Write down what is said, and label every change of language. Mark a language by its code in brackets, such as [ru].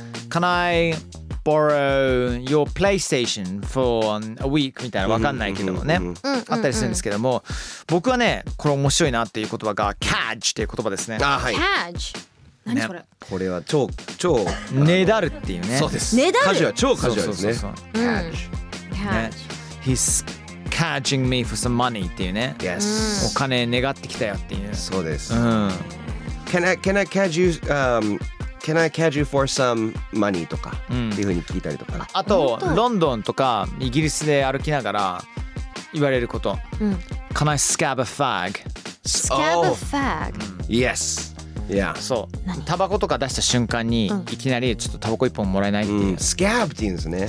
[en] Can I borrow your PlayStation for a week? [ja] みたいな、わかんないけどもね、あったりするんですけども、僕はね、これ面白いなっていう言葉が Cadge っていう言葉ですね。あ、はい、 Cadge。 何それ、ね、これは超超ねだるっていうね。そうです、ねだる、カジュアル、超カジュアルですね。そうそうそう、うん、 [en] Catch、ね、He's catching me for some money [ja] っていうね。 [en] Yes、 [ja] お金願ってきたよっていう。そうです、うん、 [en] can I catch you、Can I catch you for some money [ja] とか、うん、っていう風に聞いたりとか、あとロンドンとかイギリスで歩きながら言われること、うん、 [en] Can I scab a fag? Scab a fag?、Oh. Yes、Yeah. [ja] そう、タバコとか出した瞬間にいきなりちょっとタバコ一本もらえないっていう、うん、スキャブって言うんですね。